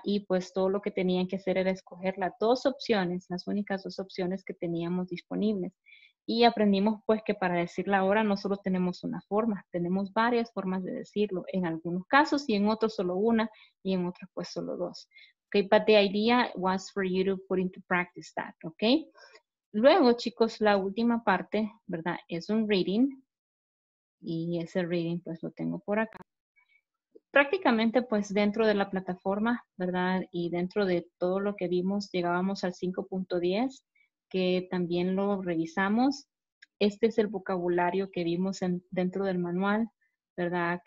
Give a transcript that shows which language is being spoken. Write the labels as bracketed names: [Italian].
[Spanish] Y pues todo lo que tenían que hacer era escoger las dos opciones, las únicas dos opciones que teníamos disponibles. Y aprendimos pues que para decir la hora no solo tenemos una forma, tenemos varias formas de decirlo. En algunos casos y en otros solo una y en otros pues solo dos. [English] Okay, but the idea was for you to put into practice that, okay? [Spanish] Luego, chicos, la última parte, ¿verdad? Es un reading. Y ese reading, pues, lo tengo por acá. Prácticamente, pues, dentro de la plataforma, ¿verdad? Y dentro de todo lo que vimos, llegábamos al 5.10, que también lo revisamos. Este es el vocabulario que vimos en, dentro del manual, ¿verdad?